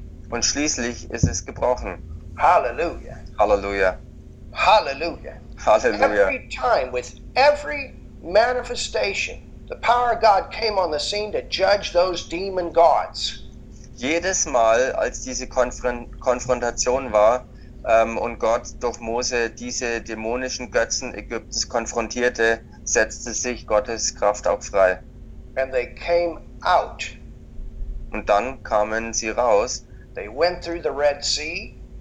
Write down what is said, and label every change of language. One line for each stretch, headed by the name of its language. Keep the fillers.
German: Und schließlich ist es gebrochen.
English: Hallelujah. Hallelujah. Hallelujah. Hallelujah. Every time with every manifestation, the power of God came on the scene to judge those demon gods.
German: Jedes Mal, als diese Konf- Konfrontation war um, und Gott durch Mose diese dämonischen Götzen Ägyptens konfrontierte, setzte sich Gottes Kraft auf frei.
English: And they came out.
German: Und dann kamen sie raus.
English: They went through the Red Sea.